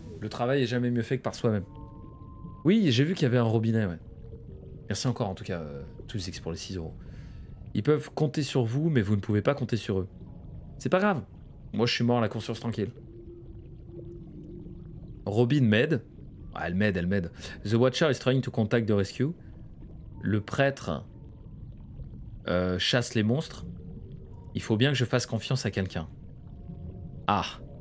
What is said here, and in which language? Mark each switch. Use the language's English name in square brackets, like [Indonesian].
[French] Le travail est jamais mieux fait que par soi-même. Oui, j'ai vu qu'il y avait un robinet, ouais. Merci encore, en tout cas, Toolsix, pour les 6 euros. Ils peuvent compter sur vous, mais vous ne pouvez pas compter sur eux. C'est pas grave. Moi, je suis mort à la conscience tranquille. Robin m'aide. Ouais, elle m'aide. [English] The Watcher is trying to contact the rescue. [French] Le prêtre chasse les monstres. Il faut bien que je fasse confiance à quelqu'un. Ah.